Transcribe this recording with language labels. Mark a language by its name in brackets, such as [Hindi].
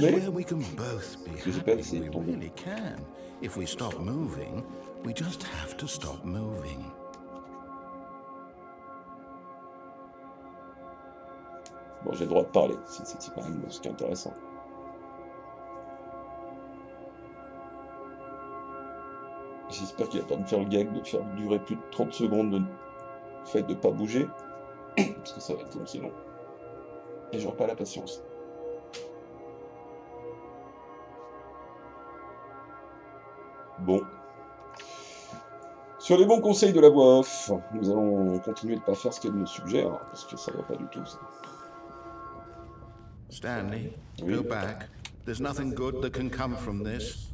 [English] This is where we can both be happy. We really can. If we stop moving, we just have to stop moving. [French] Bon, j'ai le droit de parler, c'est quand même ce qui est intéressant. J'espère qu'il va pas me faire le gag de faire durer plus de 30 secondes le fait de pas bouger. Parce que ça va être long, sinon. Et j'aurai pas la patience. Bon. Sur les bons conseils de la voix off, nous allons continuer de pas faire ce qu'elle nous suggère, parce que ça va pas du tout, ça. [English] Stanley, oui. Go back. There's nothing good that can come from this.